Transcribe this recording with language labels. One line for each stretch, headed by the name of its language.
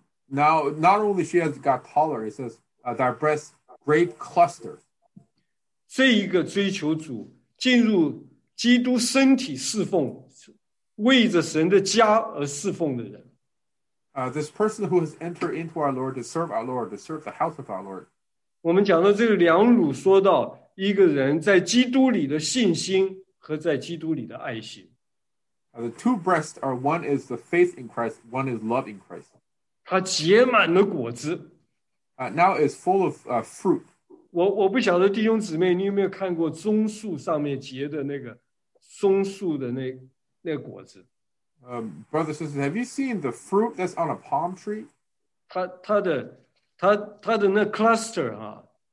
English: Now, not only she has got taller, it says that breast grape cluster.
Chinese: 这一个追求主进入基督身体侍奉，为着神的家而侍奉的人。
English: This person who has entered into our Lord to serve our Lord, to serve the house of our Lord.
Chinese: 我们讲到这个两乳，说到一个人在基督里的信心和在基督里的爱心。
English: The two breasts are one is the faith in Christ, one is love in Christ.
Chinese: 它结满了果子。
English: Now it's full of fruit.
Chinese: 我不晓得弟兄姊妹，你有没有看过棕树上面结的那个松树的那果子？
English: Brother, sister, have you seen the fruit that's on a palm tree?
Chinese: 它的那 cluster 啊。